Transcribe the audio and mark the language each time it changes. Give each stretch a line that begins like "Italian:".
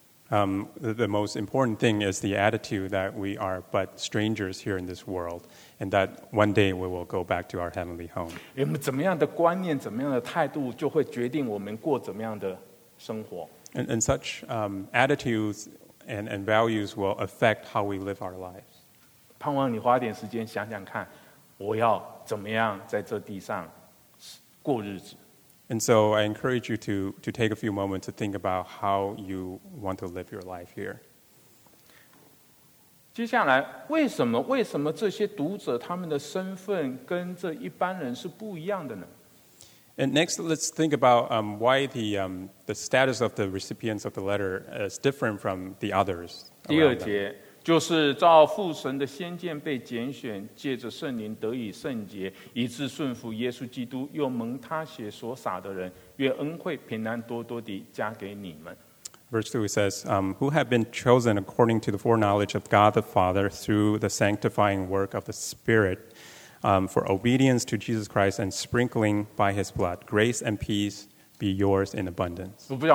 English: The most important thing is the attitude that we are but strangers here in this world, and that one day we will go back to our heavenly home.
Chinese: 怎么样的观念, 怎么样的态度, 就会决定我们过怎么样的生活。
English: And such attitudes and values will affect how we live our lives.
Chinese: 盼望你花点时间想想看, 我要怎么样在这地上过日子。
English: And so I encourage you to take a few moments to think about how you want to live your life here.
Chinese: 接下来, 为什么这些读者他们的身份跟这一般人是不一样的呢?
English: And next, let's think about why the status of the recipients of the letter is different from the others.
Chinese: 第二节, 就是照父神的先见被拣选，借着圣灵得以圣洁，以致顺服耶稣基督，又蒙他血所撒的人，愿恩惠平安多多地加给你们。
English: Verse 2 says, who have been chosen according to the foreknowledge of God the Father through the sanctifying work of the Spirit, for obedience to Jesus Christ and sprinkling by his blood, grace and peace be yours in abundance.